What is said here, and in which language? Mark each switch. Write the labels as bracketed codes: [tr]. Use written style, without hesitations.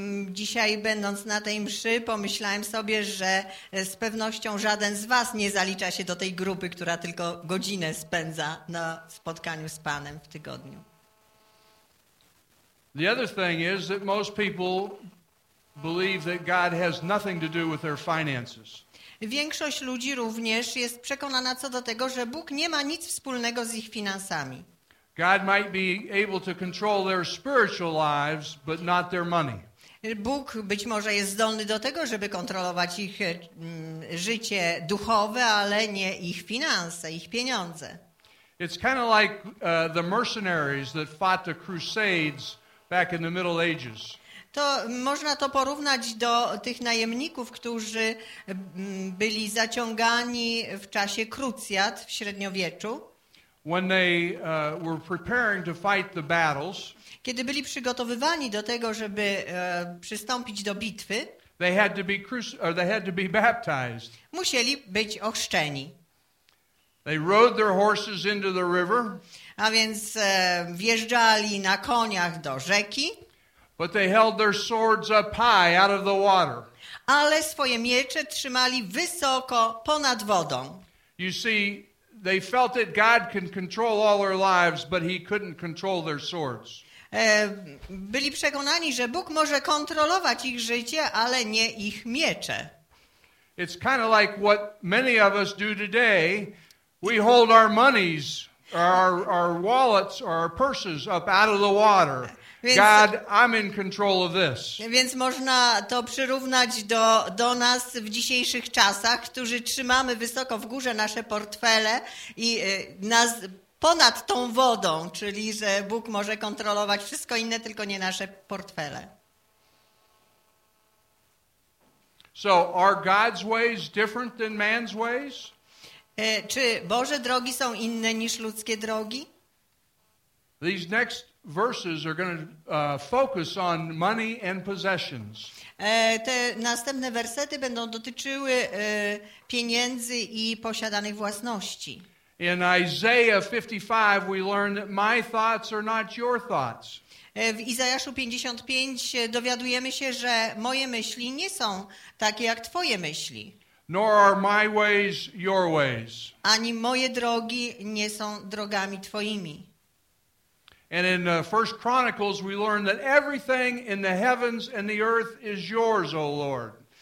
[pl] Dzisiaj będąc na tej mszy, pomyślałem sobie, że z pewnością żaden z was nie zalicza się do tej grupy, która tylko godzinę spędza na spotkaniu z Panem w tygodniu. [en] The other thing is that most people believe that God has nothing to do with their finances. [pl] Większość ludzi również jest przekonana co do tego, że Bóg nie ma nic wspólnego z ich finansami. [en] God might be able to control their spiritual lives, but not their money. [pl] Bóg być może jest zdolny do tego, żeby kontrolować ich życie duchowe, ale nie ich finanse, ich pieniądze. [en] It's kind of like the mercenaries that fought the Crusades back in the Middle Ages. [pl] To można to porównać do tych najemników, którzy byli zaciągani w czasie krucjat w średniowieczu. [en] When they were preparing to fight the battles, [pl] kiedy byli przygotowywani do tego, żeby przystąpić do bitwy, [en] they had to be baptized. [pl] Musieli być ochrzczeni. [en] They rode their horses into the river. [pl] A więc wjeżdżali na koniach do rzeki. [en] But they held their swords up high out of the water. [pl] Ale swoje miecze trzymali wysoko ponad wodą. [en] You see, they felt that God can control all their lives, but he couldn't control their swords. [pl] Byli przekonani, że Bóg może kontrolować ich życie, ale nie ich miecze. [en] It's kind of like what many of us do today. We hold our monies, our wallets, or our purses up out of the water. God, I'm in control of this. [pl] Więc można to przyrównać do nas w dzisiejszych czasach, którzy trzymamy wysoko w górze nasze portfele i nas ponad tą wodą, czyli że Bóg może kontrolować wszystko inne, tylko nie nasze portfele. [en] So, are God's ways different than man's ways? [pl] Czy Boże drogi są inne niż ludzkie drogi? [en] These next verses are going to focus on money and possessions. [pl] Te następne wersety będą dotyczyły pieniędzy i posiadanych własności. [en] In Isaiah 55 we learn that my thoughts are not your thoughts. [pl] W Izajaszu 55 dowiadujemy się, że moje myśli nie są takie jak twoje myśli. [en] Nor are my ways your ways. [pl] Ani moje drogi nie są drogami twoimi. [en] And in 1 Chronicles we learn that everything in the heavens and the earth is yours, O Lord.